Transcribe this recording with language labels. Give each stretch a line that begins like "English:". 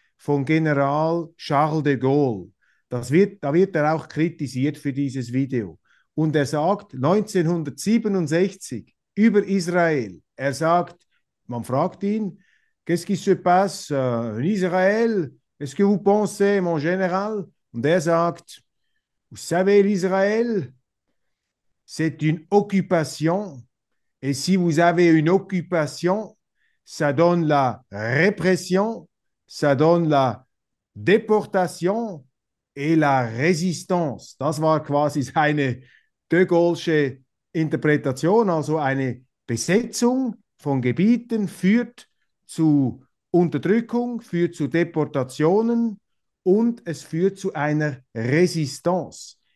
German: von General Charles de Gaulle. Da wird er auch kritisiert für dieses Video. Und er sagt 1967 über Israel, er sagt, man fragt ihn,
French: qu'est-ce qui se passe in Israël? Est-ce que vous pensez, mon général?
German: Und er sagt,
French: vous savez, Israël, c'est une occupation. Et si vous avez une occupation, ça donne la répression, ça donne la déportation et la résistance.
German: Das war quasi seine de Gaulle'sche Interpretation, also eine Besetzung von Gebieten führt zu Unterdrückung, führt zu Deportationen und es führt zu einer Resistance.